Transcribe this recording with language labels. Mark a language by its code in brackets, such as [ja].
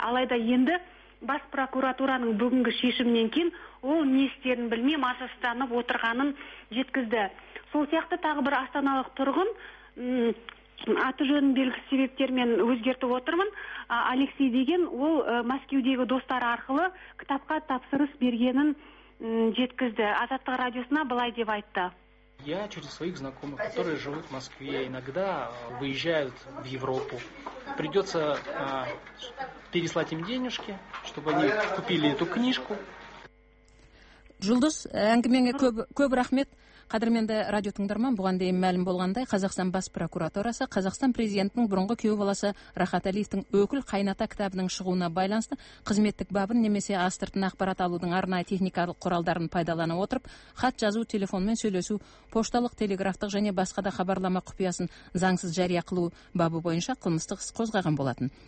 [kk] Алайда енді бас прокуратураның бүгінгі шешімінен кейін ол не істерін білмей мазасызданып отырғанын жеткізді. Сол сияқты тағы бір астаналық тұрғын аты жөнін белгісіз себептермен өзгертіп отырмын. Алексей деген, ол Мәскеудегі достары арқылы кітапқа тапсырыс бергенін жеткізді. Азаттық радиосына былай деп айтты. [ru] Я через своих знакомых, которые живут в Москве, иногда выезжают в Европу. Придется переслать им денежки, чтобы они купили эту книжку. [kk] Жұлдыз, әңгімеңе көп рахмет. Қадірменді радио тыңдарман, бұған дейін мәлім болғандай, Қазақстан бас прокуратурасы, Қазақстан президентінің бұрынғы күйеу баласы Рахат Алиевтің өкіл қайната кітабының шығуына байланысты қызметтік бабын немесе астыртын ақпарат алудың арнайы техникалық құралдарын пайдалана отырып, хат жазу, телефонмен сөйлесу, пошталық, телеграфтық және басқа да хабарлама құпиясын заңсыз жария қылу бабы бойынша қылмыстық іс қозғаған болатын.